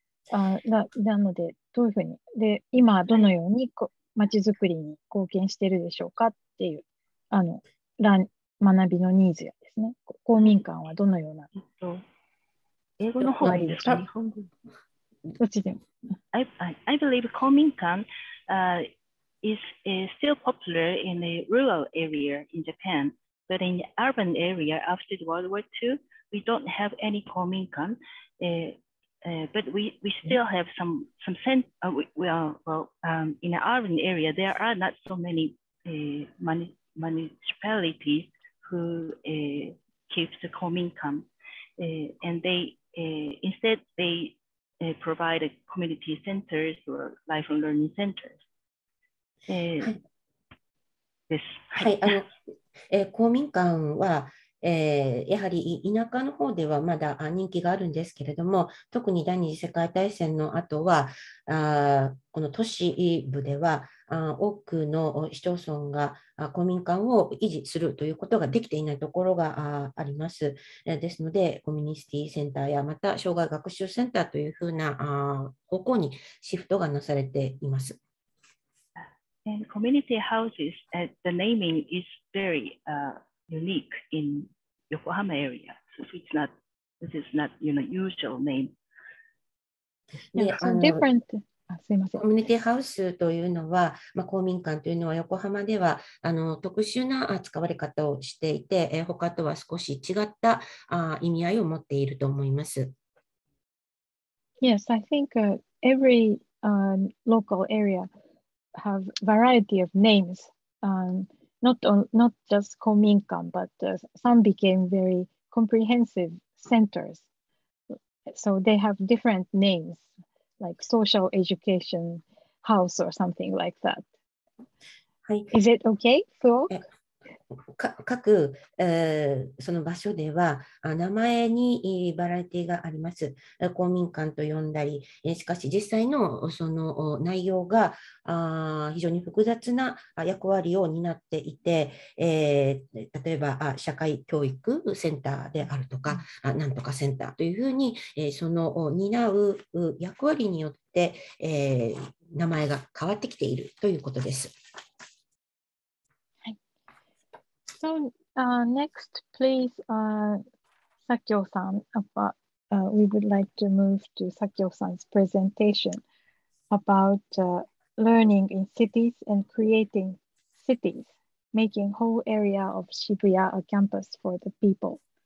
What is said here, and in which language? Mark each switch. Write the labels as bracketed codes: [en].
[ja] なのでどういうふうに、で今どのように町づくりに貢献しているでしょうかっていう、あの学びのニーズやですね、公民館はどのような、英語の方がいいですか、日本語どっちでも。 [en] I believe 公民館 is still popular in the rural area in JapanBut in the urban area after World War II, we don't have any Kominkan, but we still have some sense. In the urban area, there are not so many municipalities who keep the Kominkan, and they instead they provide a community centers or life and learning centers. Yes. Hi. [ja] 公民館は、やはり田舎の方ではまだ人気があるんですけれども、特に第二次世界大戦の後はこの都市部では多くの市町村が公民館を維持するということができていないところがあります。ですのでコミュニティセンターやまた障害学習センターというふうな方向にシフトがなされています。 [en] And community houses, the naming is very unique in Yokohama area. So it's not, this is not, you know, usual name. Yeah, some different. [ja] コミュニティハウスというのは、まあ、公民館というのは横浜ではあの特殊な使われ方をしていて、他とは少し違った意味合いを持っていると思います。 [en] Yes, I think every local areaHave variety of names, not just Kominkan, but some became very comprehensive centers. So they have different names, like social education house or something like that.、 [ja] はい、 [en] Is it okay, Phil? [ja] 各、その場所では名前にバラエティがあります。公民館と呼んだり、しかし実際のその内容が非常に複雑な役割を担っていて、例えば社会教育センターであるとか、なんとかセンターというふうに、その担う役割によって、名前が変わってきているということです。 [en] So next, please, Sakio-san, we would like to move to Sakio-san's presentation about learning in cities and creating cities, making whole area of Shibuya a campus for the people.